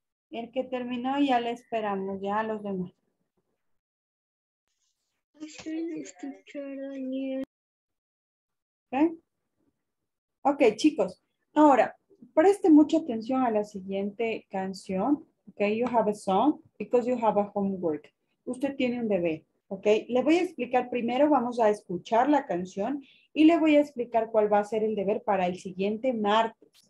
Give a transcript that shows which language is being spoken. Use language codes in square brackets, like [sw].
[es] El que terminó, ya le esperamos, ya a los demás. Ok, chicos. Ahora, preste mucha atención a la siguiente canción. [en] Ok, you have a song because you have a homework. [es] Usted tiene un bebé. Ok, le voy a explicar primero, vamos a escuchar la canción y le voy a explicar cuál va a ser el deber para el siguiente martes.